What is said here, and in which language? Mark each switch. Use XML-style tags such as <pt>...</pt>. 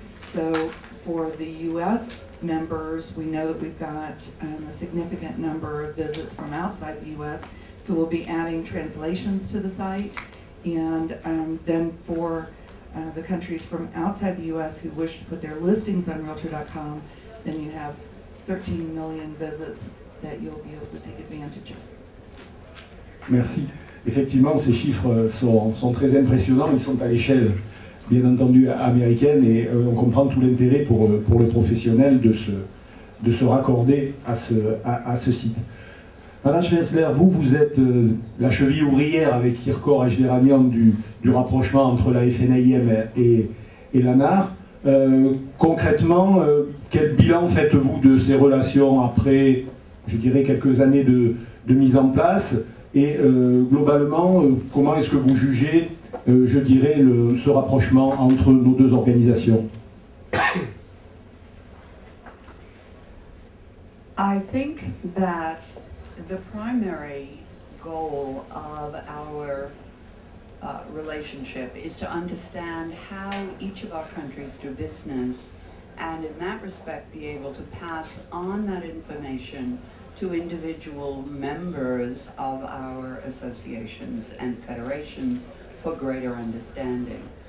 <en>So for the U.S. members, we know that we've got a significant number of visits from outside the U.S., so we'll be adding translations to the site. And then for the countries from outside the U.S. who wish to put their listings on Realtor.com, then you have 13 million visits that you'll be able to take advantage of.</en> <fr>Merci. Effectivement, ces chiffres sont très impressionnants. Ils sont à l'échelle, bien entendu, américaine, et on comprend tout l'intérêt pour le professionnel de se raccorder à ce site. Madame Schmessler, vous êtes la cheville ouvrière avec IRCOR et Gédéranian du rapprochement entre la FNAIM et l'ANAR. Concrètement, quel bilan faites-vous de ces relations après, je dirais, quelques années de mise en place? Et globalement, comment est-ce que vous jugez, je dirais, ce rapprochement entre nos deux organisations?</fr> <en>I think that the primary goal of our relationship is to understand how each of our countries do business, and in that respect be able to pass on that information to individual members of our associations and federations for greater understanding.</en>